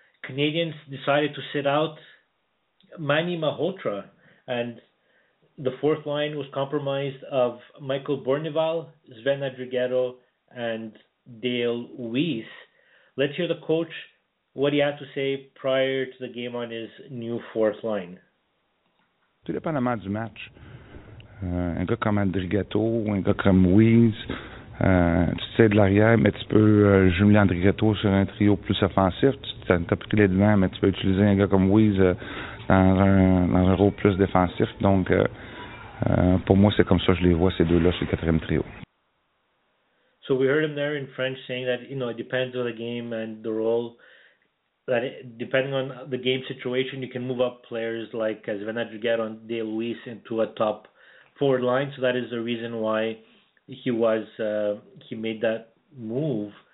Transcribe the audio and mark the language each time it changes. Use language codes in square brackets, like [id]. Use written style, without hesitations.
[en] Canadiens decided to sit out Manny Malholtra, and the fourth line was compromised of Michael Bournival, Sven Andrighetto, and Dale Weiss. Let's hear the coach, what he had to say prior to the game on his new fourth line. [fr] Tout dépend de du match. Un gars comme Andrighetto ou un gars comme Weiss, tu sais de l'arrière, mais tu peux jumeler Andrighetto sur un trio plus offensif. Tu as pris les devants, mais tu peux utiliser un gars comme Weiss dans un rôle plus défensif. Donc, pour moi, c'est comme ça que je les vois, ces deux-là, sur le quatrième trio. [en] So we heard him there in French saying that, you know, it depends on the game and the role. That depending on the game situation, you can move up players like Sven Andrighetto and Dale Weiss into a top forward line. So that is the reason why he made that move.